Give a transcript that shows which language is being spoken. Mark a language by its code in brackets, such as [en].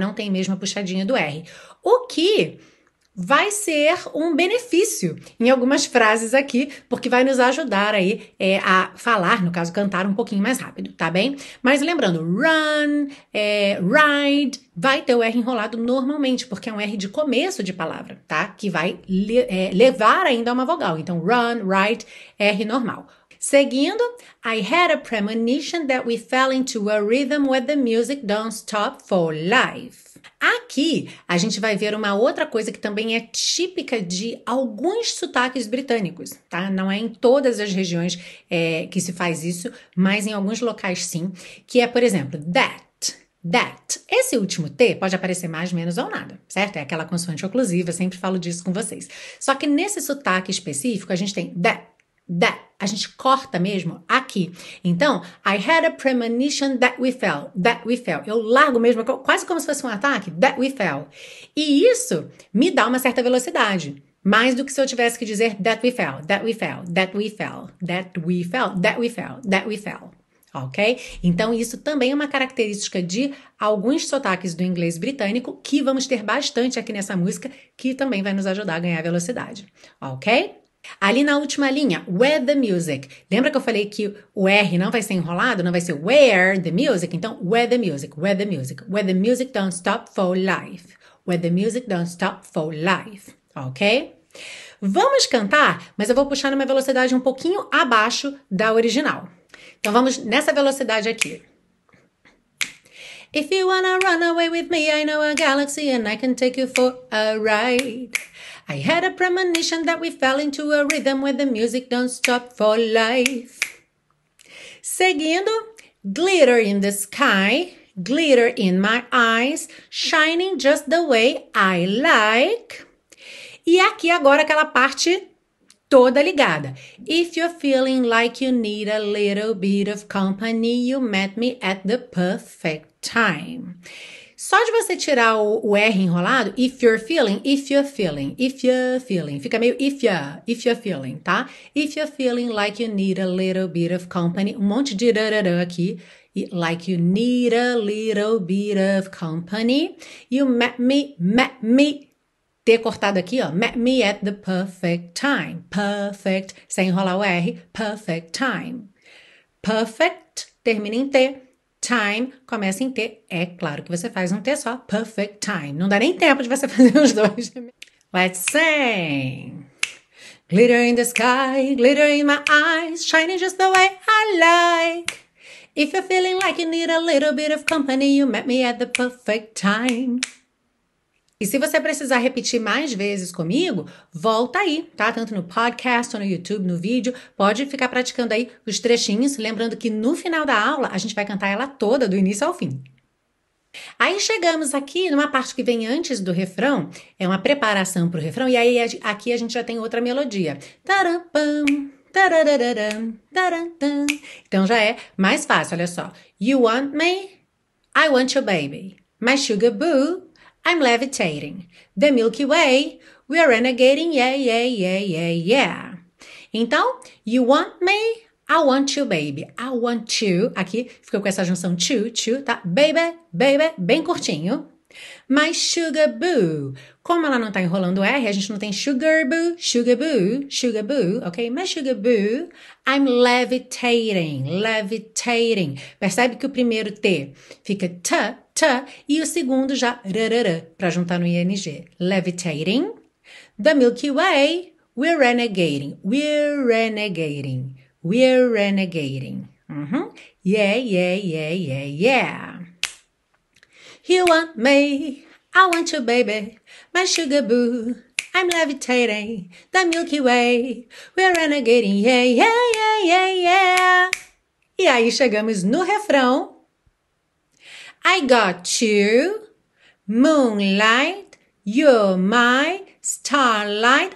[pt] Não tem mesmo a puxadinha do R. O que vai ser um benefício em algumas frases aqui, porque vai nos ajudar aí a falar, no caso, cantar um pouquinho mais rápido, tá bem? Mas lembrando, run, ride, vai ter o R enrolado normalmente, porque é um R de começo de palavra, tá? Que vai levar ainda a uma vogal. Então, run, ride, R normal. Seguindo, [en] I had a premonition that we fell into a rhythm where the music don't stop for life. [pt] Aqui a gente vai ver uma outra coisa que também é típica de alguns sotaques britânicos, tá? Não é em todas as regiões que se faz isso, mas em alguns locais sim, que é, por exemplo, that. Esse último T pode aparecer mais, menos ou nada, certo? É aquela consoante oclusiva, sempre falo disso com vocês. Só que nesse sotaque específico a gente tem that. A gente corta mesmo aqui. Então, [en] I had a premonition that we fell. [pt] Eu largo mesmo, quase como se fosse um ataque, [en] that we fell. [pt] E isso me dá uma certa velocidade, mais do que se eu tivesse que dizer [en] that we fell, that we fell, that we fell, that we fell, that we fell, that we fell. Ok? [pt] Então, isso também é uma característica de alguns sotaques do inglês britânico que vamos ter bastante aqui nessa música, que também vai nos ajudar a ganhar velocidade. Ok? Ali na última linha, [en] where the music. [pt] Lembra que eu falei que o R não vai ser enrolado? Não vai ser [en] where the music? Então, where the music, where the music. Where the music don't stop for life. Where the music don't stop for life. Ok? [pt] Vamos cantar, mas eu vou puxar numa velocidade um pouquinho abaixo da original. Então, vamos nessa velocidade aqui. [en] If you wanna run away with me, I know a galaxy and I can take you for a ride. I had a premonition that we fell into a rhythm where the music don't stop for life. [pt] Seguindo, [en] glitter in the sky, glitter in my eyes, shining just the way I like. [pt] E aqui agora aquela parte toda ligada. [en] If you're feeling like you need a little bit of company, you met me at the perfect time. [pt] Só de você tirar o R enrolado, [en] if you're feeling, if you're feeling, [pt] if you're feeling, fica meio if you're feeling, tá? [en] If you're feeling like you need a little bit of company, [pt] um monte de rararã aqui. [en] Like you need a little bit of company, you met me, [pt] ter cortado aqui, ó, [en] met me at the perfect time, perfect, [pt] sem enrolar o R, [en] perfect time. [pt] Perfect, termina em T. Time começa em T. É claro que você faz um T só. [en] Perfect time. [pt] Não dá nem tempo de você fazer os dois. [en] Let's sing. Glitter in the sky, glitter in my eyes, shining just the way I like. If you're feeling like you need a little bit of company, you met me at the perfect time. [pt] E se você precisar repetir mais vezes comigo, volta aí, tá? Tanto no podcast, ou no YouTube, no vídeo. Pode ficar praticando aí os trechinhos. Lembrando que no final da aula, a gente vai cantar ela toda, do início ao fim. Aí chegamos aqui numa parte que vem antes do refrão. É uma preparação para o refrão. E aí aqui a gente já tem outra melodia. Tarampam, tarararam, tarantam. Então já é mais fácil, olha só. [en] You want me? I want your baby. My sugar boo. I'm levitating. The Milky Way, we are renegating, yeah. Então, you want me? I want you, baby. I want you. [pt] Aqui ficou com essa junção to, tá? Baby, baby, bem curtinho. [en] My sugar boo. [pt] Como ela não tá enrolando o R, a gente não tem [en] sugar boo, sugar boo, sugar boo, [pt] ok? [en] My sugar boo. I'm levitating, levitating. [pt] Percebe que o primeiro T fica t. Tá, e o segundo já rarara, para juntar no ING. [en] Levitating. The Milky Way. We're renegating. We're renegating. We're renegating. Yeah. You want me? I want you, baby. My sugar boo. I'm levitating. The Milky Way. We're renegating. Yeah. [pt] E aí chegamos no refrão. [en] I got you, moonlight, you're my starlight.